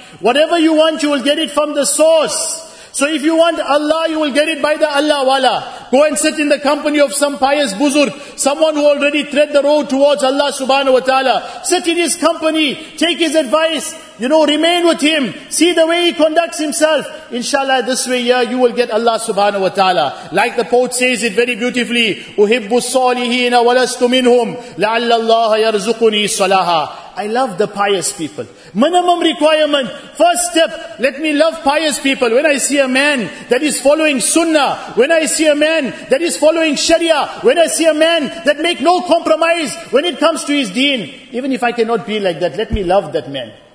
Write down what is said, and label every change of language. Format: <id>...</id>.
<en>Whatever you want, you will get it from the source. So if you want Allah, you will get it by the Allah wala. Go and sit in the company of some pious buzurg, someone who already tread the road towards Allah subhanahu wa ta'ala. Sit in his company, take his advice, you know, remain with him. See the way he conducts himself. Inshallah, this way here, you will get Allah subhanahu wa ta'ala. Like the poet says it very beautifully,</en> <ar>أُحِبُّ الصَّالِحِينَ وَلَسْتُ مِنْهُمْ لَعَلَّ اللَّهَ يَرْزُقُنِي صَلَاحَ.</ar> <en>I love the pious people. Minimum requirement. First step, let me love pious people. When I see a man that is following sunnah, when I see a man that is following sharia, when I see a man that make no compromise when it comes to his deen, even if I cannot be like that, let me love that man.</en>